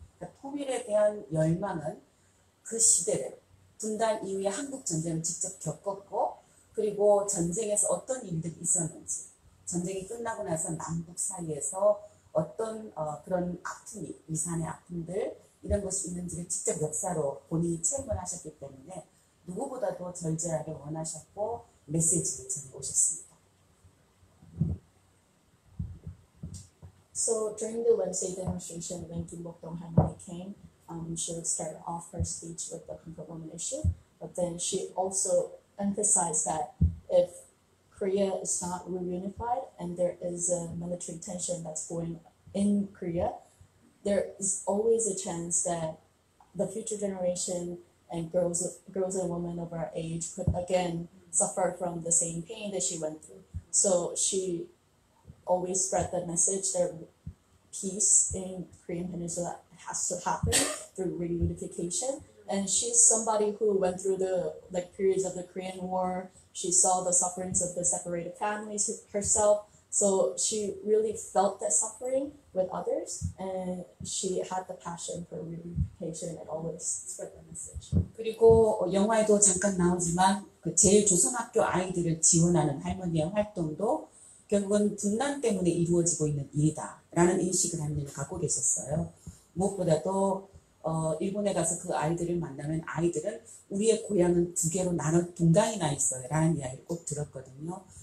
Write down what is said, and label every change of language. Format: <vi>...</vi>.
<ko>그러니까 통일에 대한 열망은 그 시대를 분단 이후에 한국 전쟁을 직접 겪었고 그리고 전쟁에서 어떤 일들이 있었는지 전쟁이 끝나고 나서 남북 사이에서 어떤 그런 아픔이 이산의 아픔들 이런 것이 있는지를 직접 역사로 본인이 체험을 하셨기 때문에 누구보다도 절절하게 원하셨고 메시지를 전해오셨습니다.</ko> <en>So during the Wednesday demonstration when Kim Bok Dong finally came, she would start off her speech with the comfort women issue, but then she also emphasized that if Korea is not reunified and there is a military tension that's going in Korea, there is always a chance that the future generation and girls and women of our age could again suffer from the same pain that she went through. So she always spread that message that peace in Korean Peninsula has to happen through reunification. And she's somebody who went through the like periods of the Korean War. She saw the sufferings of the separated families herself. So she really felt that suffering with others, and she had the passion for reunification and always spread the message.</en> <ko>그리고 영화에도 잠깐 나오지만 그 제일 조선학교 아이들을 지원하는 할머니의 활동도 결국은 분단 때문에 이루어지고 있는 일이다라는 인식을 한 일을 갖고 계셨어요. 무엇보다도 일본에 가서 그 아이들을 만나면 아이들은 우리의 고향은 두 개로 나눠 동강이 나 있어요 라는 이야기를 꼭 들었거든요.</ko>